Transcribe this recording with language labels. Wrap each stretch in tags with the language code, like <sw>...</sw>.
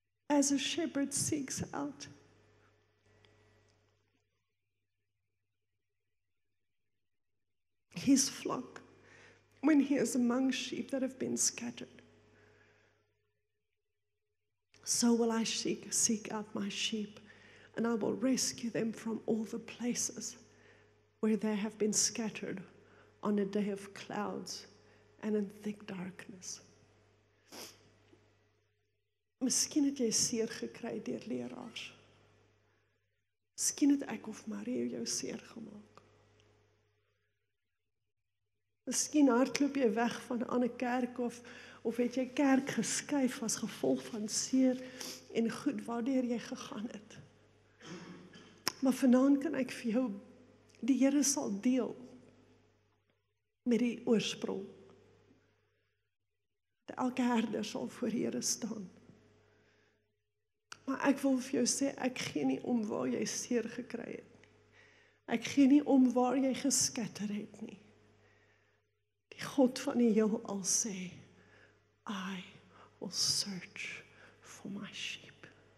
<en>As a shepherd seeks out his flock, when he is among sheep that have been scattered, so will I seek out my sheep, and I will rescue them from all the places where they have been scattered on a day of clouds and in thick darkness.</en> <af>Miskien het jy seer gekry deur leraars. Miskien het ek of Marie jou seer gemaak. Miskien hardloop jy weg van 'n ander kerk of het jy kerk geskuif as gevolg van seer en goed waardeur jy gegaan het. Maar vanaand kan ek vir jou, die Here sal deel met die oorsprong. Elke herder sal voor die Here staan. Maar ek wil vir jou sê, ek gee nie om waar jy seer gekry het. Ek gee nie om waar jy geskatter het nie. Die God van die heelal sê,</af> <en>I will search for my sheep.</en>